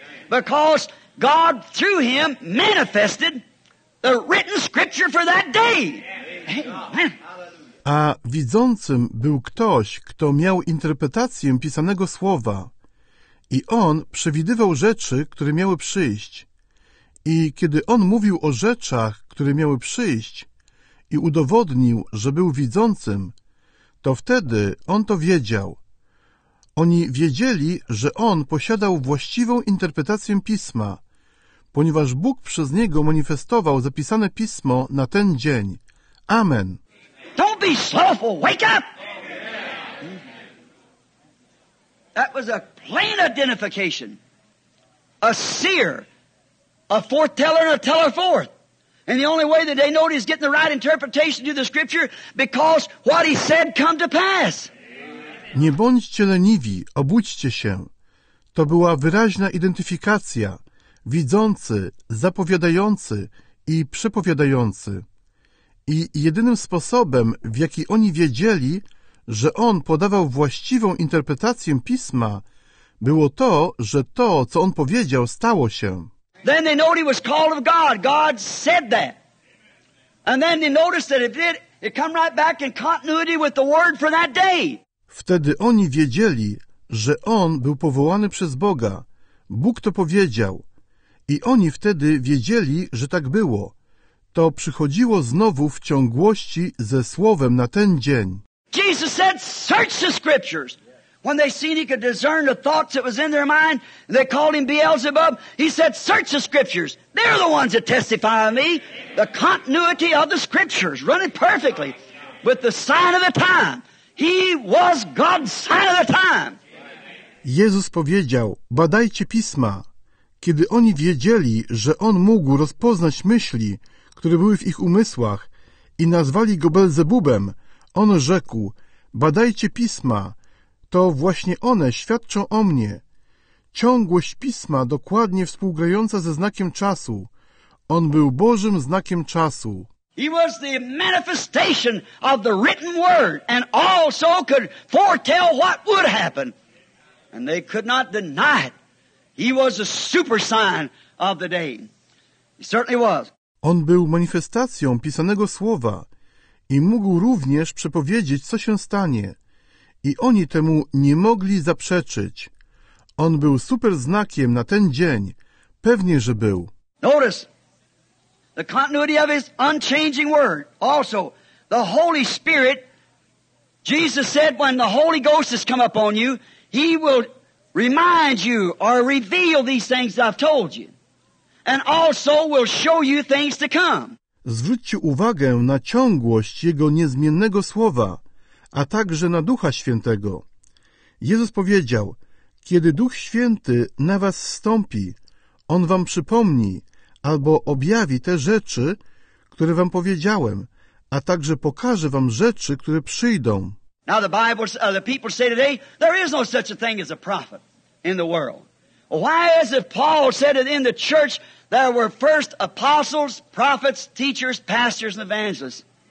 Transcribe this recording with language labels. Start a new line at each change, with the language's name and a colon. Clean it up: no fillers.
English: Because God through him manifested the written scripture for that day. Amen.
Polish: A widzącym był ktoś, kto miał interpretację pisanego słowa i on przewidywał rzeczy, które miały przyjść. I kiedy on mówił o rzeczach, które miały przyjść i udowodnił, że był widzącym, to wtedy on to wiedział. Oni wiedzieli, że on posiadał właściwą interpretację pisma, ponieważ Bóg przez niego manifestował zapisane pismo na ten dzień. Amen.
English: Don't be slothful, wake up! That was a plain identification. A seer, a foreteller and a teller forth. And the only way that they know he's getting the right interpretation to the scripture, because what he said come to pass.
Polish: Nie bądźcie leniwi, obudźcie się. To była wyraźna identyfikacja. Widzący, zapowiadający i przepowiadający. I jedynym sposobem, w jaki oni wiedzieli, że on podawał właściwą interpretację pisma, było to, że to, co on powiedział, stało się.
English: Then they noticed he was called of God. God said that. And then they noticed that it come right back in continuity with the word for that day.
Polish: Wtedy oni wiedzieli, że on był powołany przez Boga. Bóg to powiedział. I oni wtedy wiedzieli, że tak było. To przychodziło znowu w ciągłości ze słowem na ten dzień.
English: Jesus said, "Search the scriptures." When they seen he could discern the thoughts that was in their mind, they called him Beelzebub. He said, "Search the scriptures. They're the ones that testify of me. The continuity of the scriptures running perfectly with the sign of the time." He was God's sign of the time.
Polish: Jezus powiedział: "Badajcie pisma." Kiedy oni wiedzieli, że on mógł rozpoznać myśli, które były w ich umysłach i nazwali go Belzebubem, on rzekł: "Badajcie pisma, to właśnie one świadczą o mnie." Ciągłość pisma dokładnie współgrająca ze znakiem czasu. On był Bożym znakiem czasu.
English: He was the manifestation of the written word and also could foretell what would happen. And they could not deny it. He was a super sign of the day. He certainly was.
Polish: On był manifestacją pisanego słowa i mógł również przepowiedzieć, co się stanie. I oni temu nie mogli zaprzeczyć. On był super znakiem na ten dzień. Pewnie, że był.
English: Notice the continuity of his unchanging word. Also, the Holy Spirit, Jesus said, when the Holy Ghost has come upon you, he will remind you or reveal these things I've told you. And also will show you things to come.
Polish: Zwróćcie uwagę na ciągłość jego niezmiennego słowa, a także na Ducha Świętego. Jezus powiedział: "Kiedy Duch Święty na was zstąpi, on wam przypomni albo objawi te rzeczy, które wam powiedziałem, a także pokaże wam rzeczy, które przyjdą."
English: Now the Bible, the people say today, there is no such a thing as a prophet in the world. Why is it Paul said it in the church there were first apostles, prophets, teachers, pastors, and evangelists?